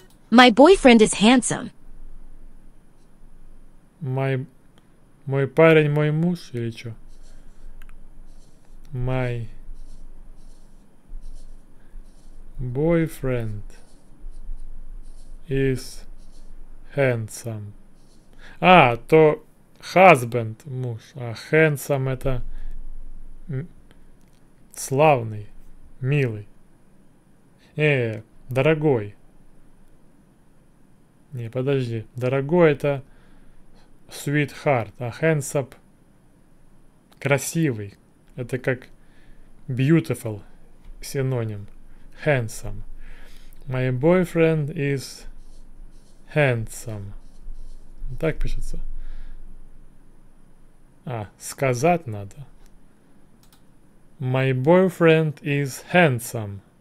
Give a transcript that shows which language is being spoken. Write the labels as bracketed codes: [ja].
[en] My boyfriend is handsome. [ru] Мой парень, мой муж или что? [en] My boyfriend is handsome. [ru] А, то husband, муж, а handsome это славный, милый, дорогой. Не, подожди, дорогой это sweetheart, а handsome красивый, это как beautiful синоним, handsome. [en] My boyfriend is handsome. [ru] Так пишется. А, сказать надо. [en] My boyfriend is handsome.